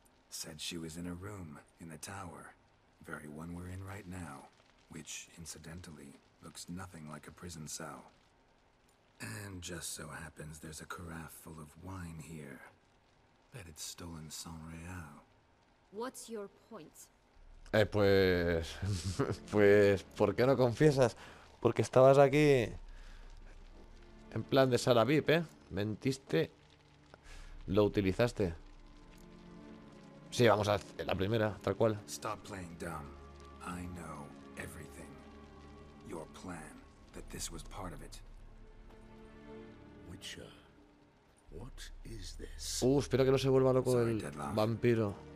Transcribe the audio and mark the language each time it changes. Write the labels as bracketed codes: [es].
[en] Said she was in a room in the tower. Very one we're in right now. Which, incidentally, looks nothing like a prison cell. And just so happens there's a carafe full of wine here. Bet it's stolen Saint Real. What's your point? [es] Pues, ¿por qué no confiesas? Porque estabas aquí en plan de sala VIP, ¿eh? Mentiste, lo utilizaste. Sí, vamos a la primera, tal cual. [en] Stop playing dumb. I know everything. Your plan, that this was part of it. Witcher, what is this? [es] Espero que no se vuelva loco el vampiro.